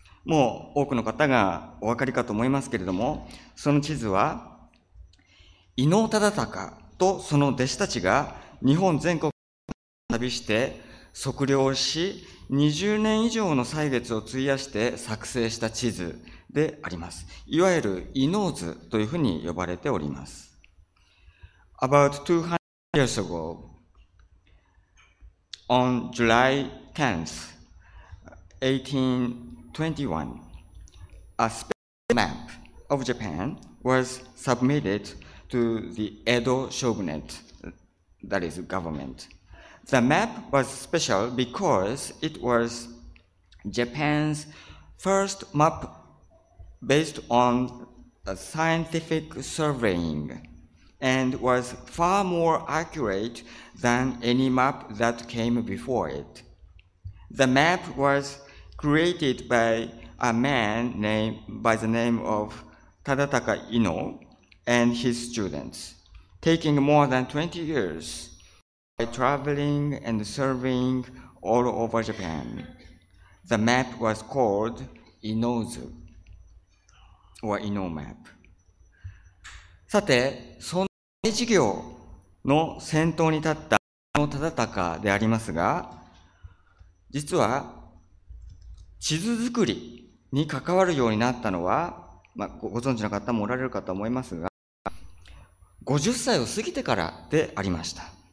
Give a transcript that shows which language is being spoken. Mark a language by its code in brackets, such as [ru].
[ja] もう多くの方がお分かりかと思いますけれども、その地図は伊能忠敬とその弟子たちが日本全国を旅して測量し、20年以上の歳月を費やして作成した地図であります。いわゆる伊能図というふうに呼ばれております。 [en] About 200 years ago,On July 10th, 1821, a special map of Japan was submitted to the Edo Shogunate, that is government. The map was special because it was Japan's first map based on scientific surveying. And was far more accurate than any map that came before it. The map was created by a man named by the name of Tadataka Ino and his students, taking more than 20 years by traveling and surveying all over Japan. The map was called Inozu, or Ino map. [ja] さて、その大事業の先頭に立った伊能忠敬でありますが、実は地図作りに関わるようになったのは、まあ、ご存知の方もおられるかと思いますが、50歳を過ぎてからでありました。